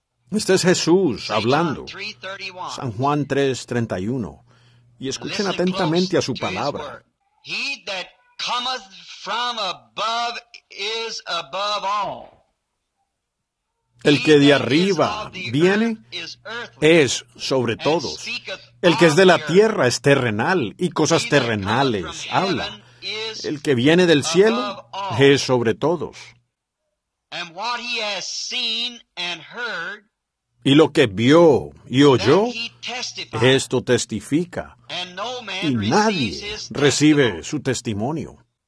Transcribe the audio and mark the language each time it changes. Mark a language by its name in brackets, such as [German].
[Spanish] Este es Jesús hablando, San Juan 3:31, y escuchen atentamente a su palabra. [English] He that cometh from above is above all. [Spanish] El que de arriba viene es sobre todos. El que es de la tierra es terrenal, y cosas terrenales habla. El que viene del cielo es sobre todos. [English] And what he has seen and heard, [Spanish] y lo que vio y oyó, esto testifica, y nadie recibe su testimonio.